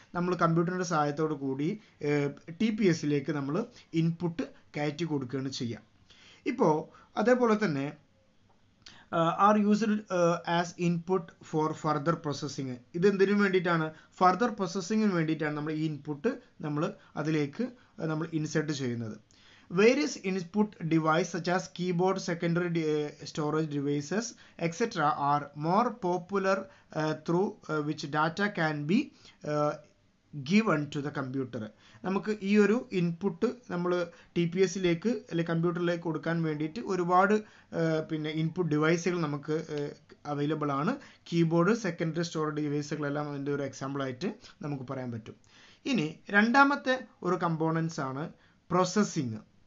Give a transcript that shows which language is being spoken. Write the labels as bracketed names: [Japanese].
[Malayalam] നമ്മൾ കമ്പ്യൂട്ടറിൻ്റെ സഹായത്തോടു കൂടി TPSലേക്ക് നമ്മൾ ഇൻപുട്ട് കയറ്റി കൊടുക്കുകയാണ് ചെയ്യുക. ഇപ്പോൾ അതേപോലെ തന്നെ [English] Are used as input for further processing. [Malayalam] ഇത് എന്തിനു വേണ്ടിയിട്ടാണ്? ഫർദർ പ്രോസസ്സിങ്ങിന് വേണ്ടിയിട്ടാണ് നമ്മൾ ഈ ഇൻപുട്ട് നമ്മൾ അതിലേക്ക് നമ്മൾ ഇൻസെർട്ട് ചെയ്യുന്നത്. [English] Various input devices such as keyboard, secondary storage devices, etc. are more popular through which data can be given to the computer. [Malayalam] നമുക്ക് ഈ ഒരു ഇൻപുട്ട് നമ്മൾ TPSലേക്ക് അല്ലെങ്കിൽ കമ്പ്യൂട്ടറിലേക്ക് കൊടുക്കാൻ വേണ്ടിയിട്ട് ഒരുപാട് പിന്നെ ഇൻപുട്ട് ഡിവൈസുകൾ നമുക്ക് അവൈലബിൾ ആണ്. കീബോർഡ്, സെക്കൻഡറി സ്റ്റോറേജ് ഡിവൈസുകളെല്ലാം അതിൻ്റെ ഒരു എക്സാമ്പിളായിട്ട് നമുക്ക് പറയാൻ പറ്റും. ഇനി 2nd കമ്പോണൻസാണ് പ്രോസസ്സിങ്.